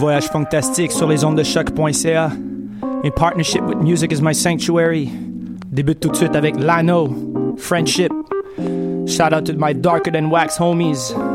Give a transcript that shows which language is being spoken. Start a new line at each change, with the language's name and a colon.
French: Fantastique sur les ondes de choc.ca.
English: In partnership with Music is My Sanctuary.
French: Débute tout de suite avec Lano, Friendship.
English: Shout out to my darker than wax homies.